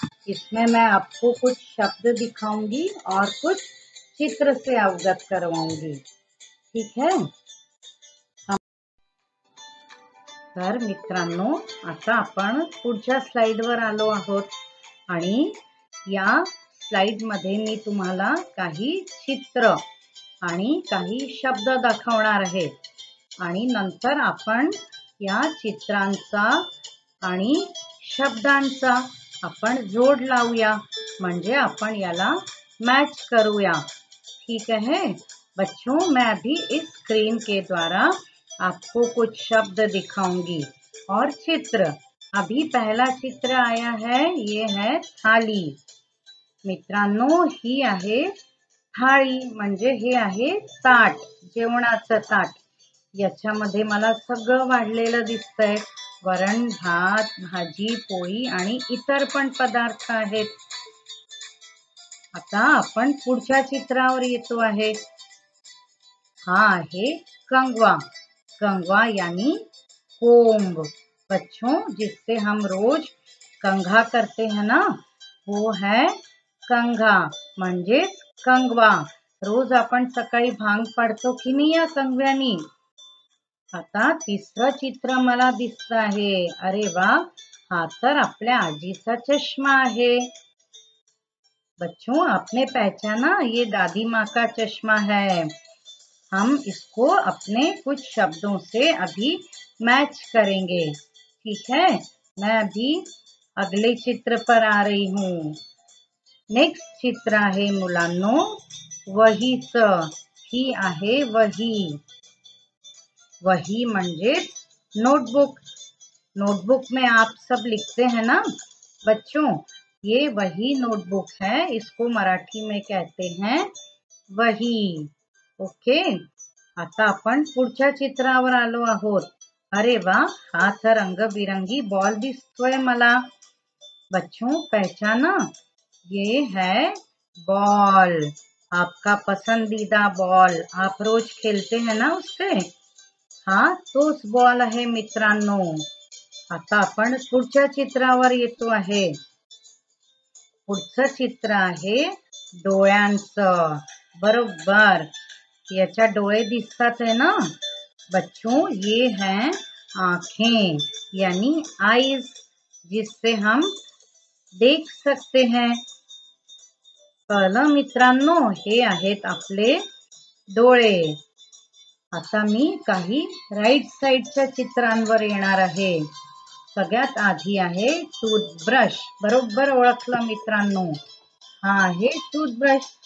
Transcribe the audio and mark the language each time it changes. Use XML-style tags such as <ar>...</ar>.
<hi>इसमें मैं आपको कुछ शब्द दिखाऊंगी और कुछ चित्र से अवगत करवाऊंगी, ठीक है?</hi> <mr>तर मित्रांनो, आता आपण पुढच्या स्लाइडवर आलो आहोत आणि या स्लाइडमध्ये मी तुम्हाला काही चित्र आणि काही शब्द दाखवणार आहे आणि नंतर आपण या चित्रांचा आणि शब्दांचा आपण जोड लावूया, म्हणजे आपण याला मॅच करूया, ठीक आहे?</mr> <hi>बच्चों, मैं अभी इस स्क्रीन के द्वारा आपको कुछ शब्द दिखाऊंगी और चित्र. अभी पहला चित्र आया है, ये है थाली.</hi> <mr>मित्रांनो, ही आहे थाळी, म्हणजे हे आहे ताट, जेवणाचं ताट. याच्यामध्ये मला सगळं वाढलेलं दिसतंय, वरण, भात, भाजी, पोळी आणि इतर पण पदार्थ आहेत. आता आपण पुढच्या चित्रावर येतो आहे. हा आहे कंगवा. कंगवा यानी कोंब.</mr> <hi>बच्चों, जिससे हम रोज कंघा करते हैं ना, वो है कंघा,</hi> <mr>म्हणजे कंगवा. रोज आपण सकाळी भांग पडतो की नाही या कंगव्यानी. आता तिसरं चित्र मला दिसत आहे. अरे वा, हा तर आपल्या आजीचा चष्मा आहे.</mr> <hi>बच्चों, आपने पहचाना, ये दादी माँ का चश्मा है. हम इसको अपने कुछ शब्दों से अभी मैच करेंगे, ठीक है? मैं अभी अगले चित्र पर आ रही हूँ.</hi> <mr>नेक्स्ट चित्र आहे मुलांनो वही स. ही आहे वही. वही म्हणजे नोटबुक.</mr> <hi>नोटबुक में आप सब लिखते हैं ना बच्चों, ये वही नोटबुक है. इसको मराठी में कहते हैं वही, ओके?</hi> <mr>आता आपण पुढच्या चित्रावर आलो आहोत. अरे वा, हा तर रंगबिरंगी बॉल दिसतोय मला.</mr> <hi>बच्चों, पहचाना, ये है बॉल, आपका पसंदीदा बॉल. आप रोज खेलते हैं ना उससे. हाँ, तो उस</hi> <mr>बॉल आहे मित्रांनो. आता आपण पुढच्या चित्रावर येतो आहे. पुढचं चित्र आहे डोळ्यांचं. बरोबर, याच्या डोळे दिसतात आहे ना बच्चों.</mr> <hi>ये है आँखें, यानी आईज, जिससे हम देख सकते हैं.</hi> <mr>पहिलं मित्रांनो, हे आहेत आपले डोळे. आता मी काही राईट साईडच्या चित्रांवर येणार आहे. सगळ्यात आधी आहे टूथब्रश. बरोबर ओळखलं मित्रांनो, हा आहे टूथब्रश.</mr>